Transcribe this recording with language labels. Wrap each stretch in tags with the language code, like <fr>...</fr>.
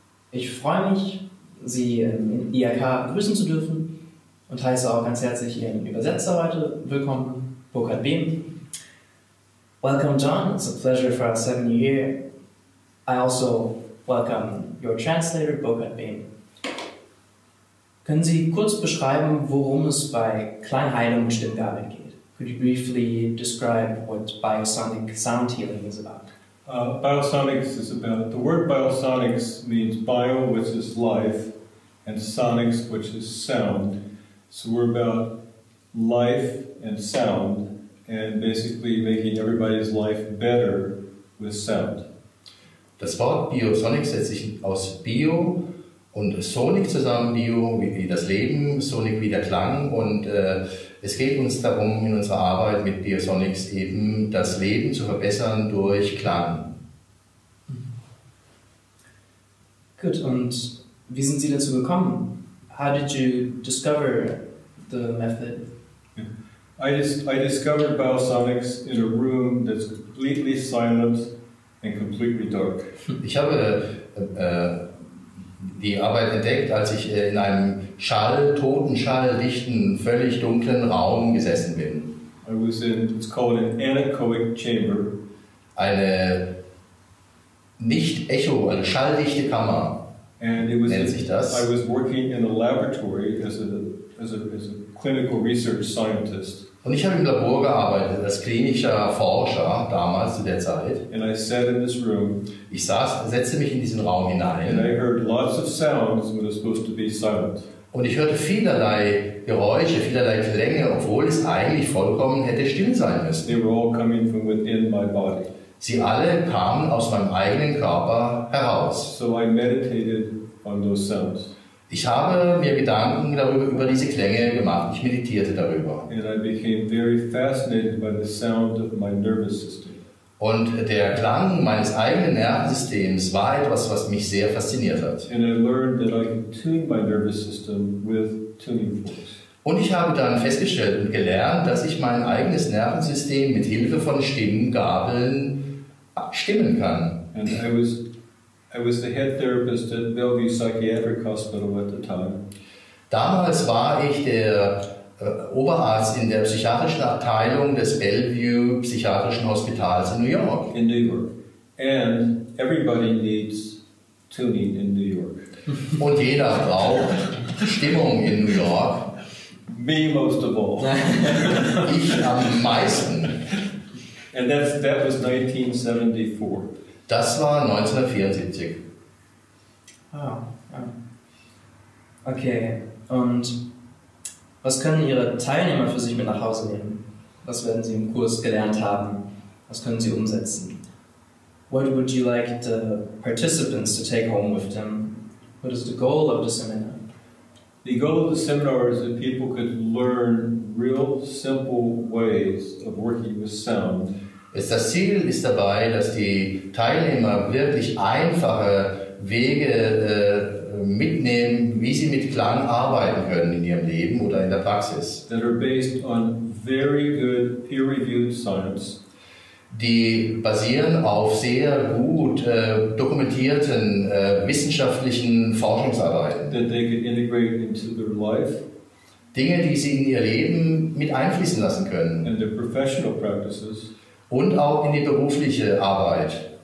<de>Ich freue mich, Sie im IHK begrüßen zu dürfen und heiße auch ganz herzlich Ihren Übersetzer heute willkommen, Burkhard Behm.</de> <en>Welcome, John. It's a pleasure for us having you here. I also welcome your translator, Burkhard Behm.</en> <de>Können Sie kurz beschreiben, worum es bei Klangheilung und Stimmgabeln geht?</de> <en>Could you briefly describe what biosonic sound healing is about? Biosonics is about, the word biosonics means bio, which is life, and sonics, which is sound. So we're about life and sound, and basically making everybody's life better with sound.</en> <de>Das Wort biosonic setzt sich aus bio und sonic zusammen, bio wie das Leben, sonic wie der Klang, und es geht uns darum, in unserer Arbeit mit Biosonics eben das Leben zu verbessern durch Klang. Gut, und wie sind Sie dazu gekommen?</de> <en>How did you discover the method? I discovered Biosonics in a room that's completely silent and completely dark.</en> <de>Ich habe die Arbeit entdeckt, als ich in einem totenschalldichten, völlig dunklen Raum gesessen bin.</de> <en>I was in, it's called an anechoic chamber.</en> <de>Eine nicht Echo, eine schalldichte Kammer.</de> <en>And it was</en> <de>nennt sich das.</de> <en>I was working in a laboratory as a clinical research scientist.</en> <de>Und ich habe im Labor gearbeitet, als klinischer Forscher damals zu der Zeit.</de> <en>And I sat in this room.</en> <de>Ich setzte mich in diesen Raum hinein.</de> <en>And I heard lots of sounds when it's supposed to be silent.</en> <de>Und ich hörte vielerlei Geräusche, vielerlei Klänge, obwohl es eigentlich vollkommen hätte still sein müssen.</de> <en>They were all coming from within my body.</en> <de>Sie alle kamen aus meinem eigenen Körper heraus.</de> <en>So I meditated on those sounds.</en> <de>Ich habe mir Gedanken darüber, über diese Klänge gemacht. Ich meditierte darüber.</de> <en>And I became very fascinated by the sound of my nervous system.</en> <de>Und der Klang meines eigenen Nervensystems war etwas, was mich sehr fasziniert hat.</de> <en>And I learned that I could tune my nervous system with tuning forks.</en> <de>Und ich habe dann festgestellt und gelernt, dass ich mein eigenes Nervensystem mit Hilfe von Stimmgabeln stimmen kann.</de> <en>And I was the head therapist at Bellevue Psychiatric Hospital at the time.</en> <de>Damals war ich der Oberarzt in der psychiatrischen Abteilung des Bellevue Psychiatrischen Hospitals in New York.</de> <en>In New York. And everybody needs tuning in New York.</en> <de>Und jeder braucht Stimmung in New York.</de> <en>Me most of all.</en> <de>Ich am meisten.</de> <en>And that was 1974.</en> <de>Das war 1974. Ah, okay. Und was können Ihre Teilnehmer für sich mit nach Hause nehmen? Was werden Sie im Kurs gelernt haben? Was können Sie umsetzen?</de> <en>What would you like the participants to take home with them? What is the goal of the seminar? The goal of the seminar is that people could learn real simple ways of working with sound.</en> <de>Das Ziel ist dabei, dass die Teilnehmer wirklich einfache Wege mitnehmen, wie sie mit Klang arbeiten können in ihrem Leben oder in der Praxis.</de> <en>That are based on very good peer-reviewed science.</en> <de>Die basieren auf sehr gut dokumentierten wissenschaftlichen Forschungsarbeiten.</de> <en>That they can integrate into their life.</en> <de>Dinge, die sie in ihr Leben mit einfließen lassen können.</de> <en>And their professional practices.</en> <de>Und auch in die berufliche Arbeit,</de>